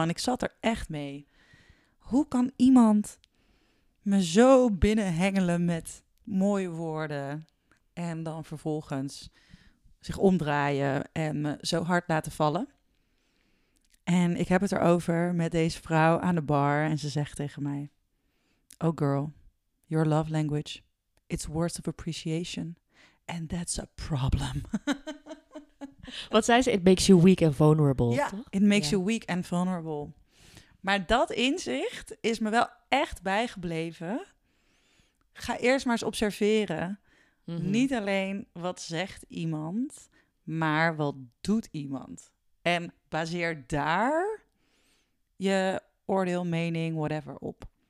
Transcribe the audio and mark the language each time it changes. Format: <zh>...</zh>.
<nl>En ik zat er echt mee. Hoe kan iemand me zo binnenhengelen met mooie woorden en dan vervolgens zich omdraaien en me zo hard laten vallen? En ik heb het erover met deze vrouw aan de bar en ze zegt tegen mij:</nl> <en>"Oh girl, your love language, it's words of appreciation. And that's a problem."</en> <nl>Wat zei ze?</nl> <en>It makes you weak and vulnerable.</en> <nl>Ja, toch?</nl> <en>It makes you weak and vulnerable.</en> <nl>Maar dat inzicht is me wel echt bijgebleven. Ga eerst maar eens observeren. Mm-hmm. Niet alleen wat zegt iemand, maar wat doet iemand. En baseer daar je oordeel, mening, whatever op.</nl>